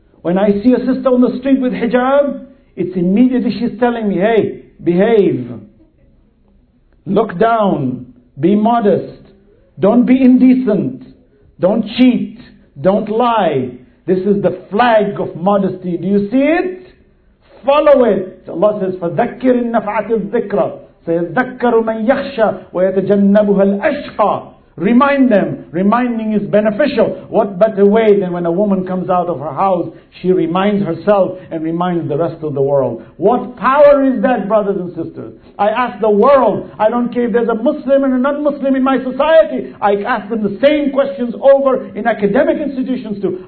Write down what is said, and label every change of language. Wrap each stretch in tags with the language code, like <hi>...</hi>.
<en>When I see a sister on the street with hijab, it's immediately she's telling me, "Hey, behave. Look down. Be modest. Don't be indecent. Don't cheat. Don't lie. This is the flag of modesty. Do you see it? Follow it." Allah says,</en> <ar>فَذَكِّرِ النَّفَعَةِ الذِّكْرَ سَيَذَكَّرُ مَنْ يَخْشَى وَيَتَجَنَّبُهَا الْأَشْقَى.</ar> <en>Remind them. Reminding is beneficial. What better way than when a woman comes out of her house, she reminds herself and reminds the rest of the world. What power is that, brothers and sisters? I ask the world, I don't care if there's a Muslim and a non-Muslim in my society, I ask them the same questions over in academic institutions too.</en>